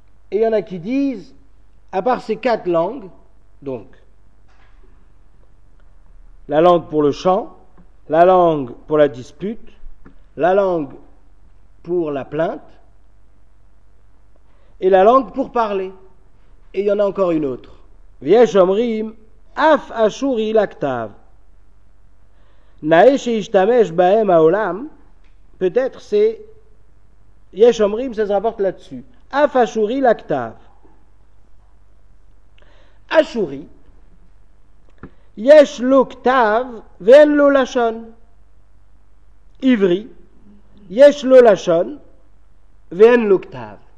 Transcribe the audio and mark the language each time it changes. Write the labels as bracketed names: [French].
[French] Et il y en a qui disent, à part ces quatre langues, donc, la langue pour le chant, la langue pour la dispute, la langue pour la plainte, et la langue pour parler. Et il y en a encore une autre. [Hebrew] Bien chomri, אף אשור היא לכתב. נאה שישתמש בהם העולם, [French] peut-être c'est, [Hebrew] יש אומרים, [French] ça se rapporte là-dessus. [Hebrew] אף אשור היא לכתב. אשור היא, יש לו כתב ואין לו לשון. עברי, יש לו לשון ואין לו כתב.